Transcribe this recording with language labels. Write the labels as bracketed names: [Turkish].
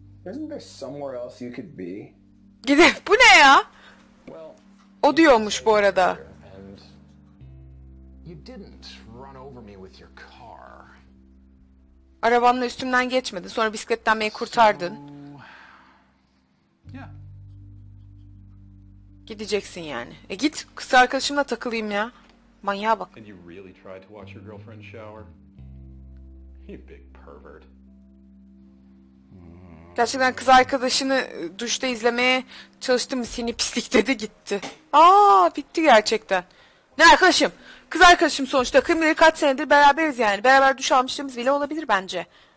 [English] Isn't there somewhere else you could be? [Turkish] Gidip, bu ne ya? O diyormuş bu arada. [English] You didn't run over me with your car. [Turkish] Arabanla üstümden geçmedin, sonra bisikletten beni kurtardın. [English] Yeah. [Turkish] Gideceksin yani. E git, kız arkadaşımla takılayım ya. Manyağa bak. [English] And you really tried to watch your girlfriend shower? You big pervert. [Turkish] Gerçekten kız arkadaşını duşta izlemeye çalıştım, seni pislik dedi gitti. Aa, bitti gerçekten. Ne arkadaşım? Kız arkadaşım sonuçta. Kim bilir kaç senedir beraberiz yani. Beraber duş almışlığımız bile olabilir bence.